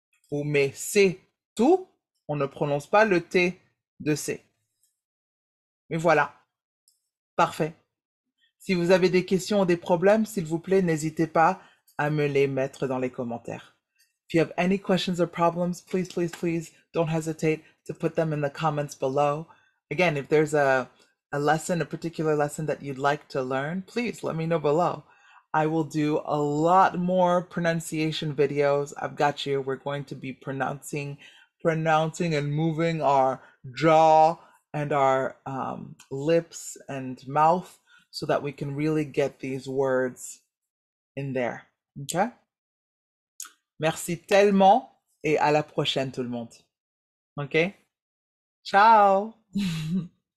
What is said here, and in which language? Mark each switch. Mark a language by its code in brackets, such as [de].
[fr] Ou mais c'est tout, on ne prononce pas le T de C. Mais voilà. Parfait. Si vous avez des questions ou des problèmes, s'il vous plaît, n'hésitez pas à me les mettre dans les commentaires. [en] If you have any questions or problems, please, please, please don't hesitate to put them in the comments below. Again, if there's a lesson, a particular lesson that you'd like to learn, please let me know below. I will do a lot more pronunciation videos. I've got you. We're going to be pronouncing and moving our jaw and our lips and mouth so that we can really get these words in there. Okay? [fr] Merci tellement et à la prochaine, tout le monde. Okay? Ciao!